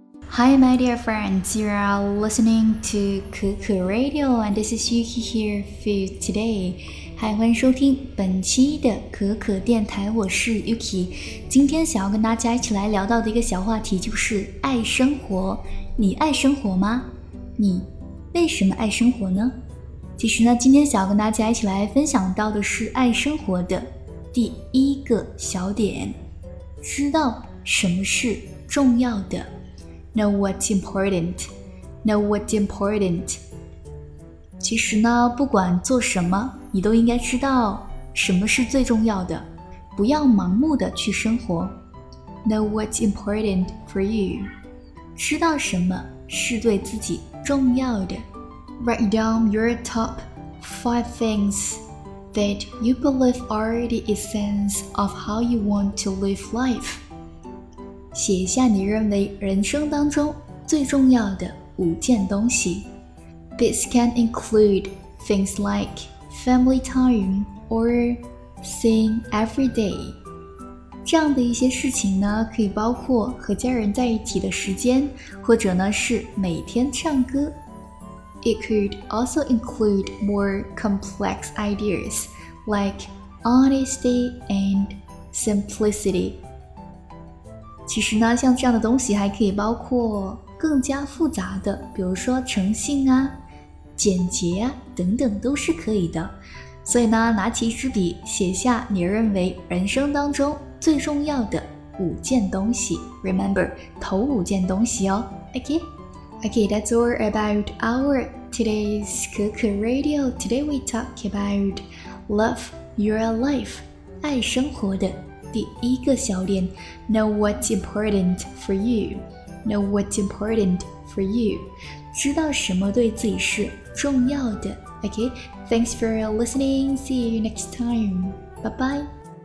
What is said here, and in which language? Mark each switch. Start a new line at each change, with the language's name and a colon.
English: Hi, my dear friends, you are listening to Cuckoo Radio, and this is Yuki here for you today.
Chinese: Hi, 欢迎收听本期的可可电台，我是 Yuki。今天想要跟大家一起来聊到的一个小话题就是爱生活。你爱生活吗？你为什么爱生活呢？其实呢，今天想要跟大家一起来分享到的是爱生活的第一个小点，知道什么是重要的。
English: Know what's important. Know what's important.
Chinese: 其实呢，不管做什么，你都应该知道什么是最重要的，不要盲目的去生活。
English: Know what's important for you.
Chinese: 知道什么是对自己重要的。
English: Write down your top 5 things that you believe are the essence of how you want to live life.
Chinese: 写下你认为人生当中最重要的五件东西。
English: This can include things like family time or seeing every day.
Chinese: 这样的一些事情呢，可以包括和家人在一起的时间，或者呢是每天唱歌。
English: It could also include more complex ideas like honesty and simplicity.
Chinese: 其实呢，像这样的东西还可以包括更加复杂的，比如说诚信啊、简洁啊等等，都是可以的。所以呢，拿起一支笔，写下你认为人生当中最重要的五件东西。
English: Remember,
Chinese: 头五件东西哦。
English: Okay, that's all about our today's Cuckoo Radio. Today we talk about love your life,
Chinese: 爱生活的。第一个小点
English: Know what's important for you. Know what's important for you.
Chinese: 知道什么对自己是重要的。
English: Okay, thanks for listening. See you next time. Bye bye.